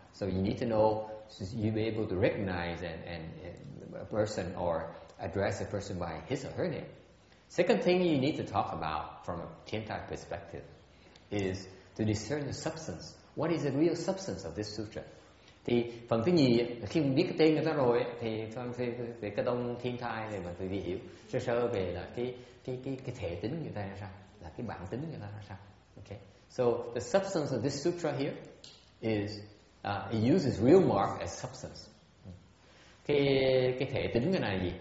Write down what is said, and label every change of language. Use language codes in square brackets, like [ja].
[en] So you need to know, you be able to recognize and a person or address a person by his or her name. Second thing you need to talk about from a Tiantai perspective is to discern the substance. What is the real substance of this sutra? [vi] Thì phần thứ nhì, khi mình biết cái tên người ta rồi thì về cái tông thiên thai này mình phải hiểu sơ sơ về là cái thể tính người ta là sao, là cái bản tính người ta là sao. [en] Okay. So the substance of this sutra here is it uses real mark as substance. [vi] Cái thể tính cái này là gì?